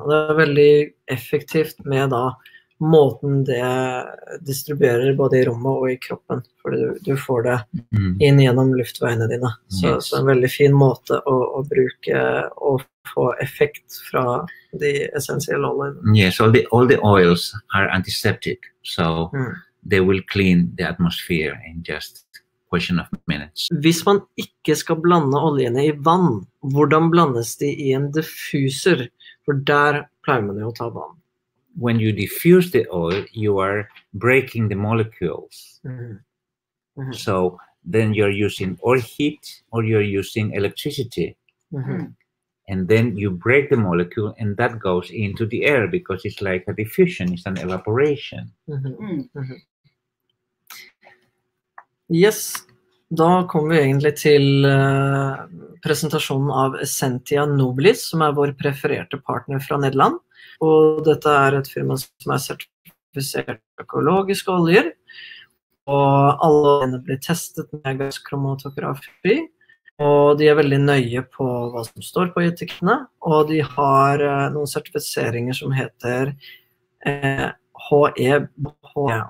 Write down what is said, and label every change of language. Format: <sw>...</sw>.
<no>Og det veldig effektivt med da måten det distribuerer både I rommet og I kroppen, fordi du får det inn gjennom luftveiene dine. Så en veldig fin måte å bruke og få effekt fra de essensielle oljene.</no> <en>Yes, all the oils are antiseptic, so they will clean the atmosphere in just question of minutes.</en> <no>Hvis man ikke skal blande oljene I vann, hvordan blandes de I en diffuser? For der pleier man jo å ta vann.</no> <en>When you diffuse the oil, you are breaking the molecules. Mm-hmm. Mm-hmm. So then you're using or heat or you're using electricity. Mm-hmm. And then you break the molecule and that goes into the air because it's like a diffusion, it's an evaporation. Mm-hmm.</en> <no>Yes, da kommer vi egentlig til presentasjonen av Essentia Nobilis, som vår prefererte partner fra Nederland. Og dette et firma som sertifisert økologiske oljer, og alle oljene blir testet med gasskromatografi, og de veldig nøye på hva som står på etikettene, og de har noen sertifiseringer som heter HEBH.</no>